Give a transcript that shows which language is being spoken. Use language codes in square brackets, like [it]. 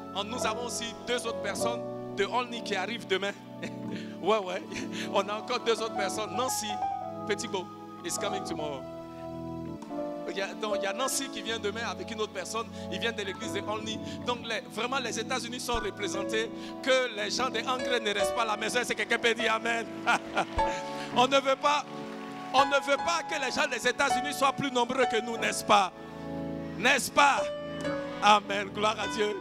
[fr] Nous avons aussi deux autres personnes de Olney qui arrivent demain. Ouais, ouais. On a encore deux autres personnes. [en] Nancy, petit beau, is coming tomorrow. [fr] Il y a Nancy qui vient demain avec une autre personne. Ils viennent de l'église de Olney. Donc, vraiment, les États-Unis sont représentés. Que les gens des Anglais ne restent pas à la maison. C'est quelqu'un qui peut dire amen. On ne veut pas que les gens des États-Unis soient plus nombreux que nous, n'est-ce pas? N'est-ce pas? Amen. Gloire à Dieu.